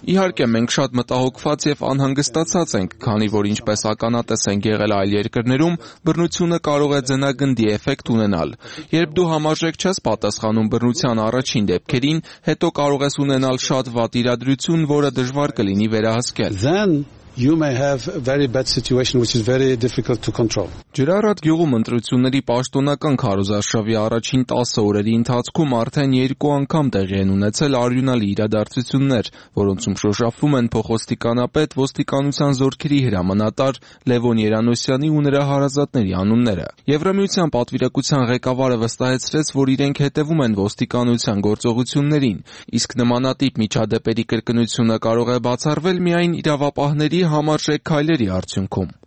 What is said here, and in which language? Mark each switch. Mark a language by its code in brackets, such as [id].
[hy] Իհարկե, մենք շատ մտահոգված եւ անհանգստացած ենք, քանի որ ինչպես ականատես են եղել այլ երկրներում, բռնությունը կարող է ձնագնդի էֆեկտ ունենալ։ Երբ դու համաժեք չես պատասխանում բռնության առաջին դեպքերին, հետո կարող ես ունենալ շատ վատ իրադրություն, որը դժվար կլինի վերահսկել։ [en] You may have a very bad situation which is very difficult to control. [hy] Ջրառատ գյուղում ընտրությունների պաշտոնական քարոզարշավի առաջին 10 օրերի ընթացքում արդեն երկու անգամ տեղի են ունեցել արյունալի իրադարձություններ, որոնցում շոշափվում են փոխոստիկանապետ, ոստիկանության զորքերի հրամանատար Լևոն Երանոսյանի ու նրա հարազատների անունները։ Եվրամիության պատվիրակության ղեկավարը վստահեցրեց, որ իրենք հետևում են ոստիկանության գործողություններին, իսկ նմանատիպ միջադեպերի կրկնությունը կարող է բացառվել միայն իրավապահների համարժեք քայլերի արդյունքում։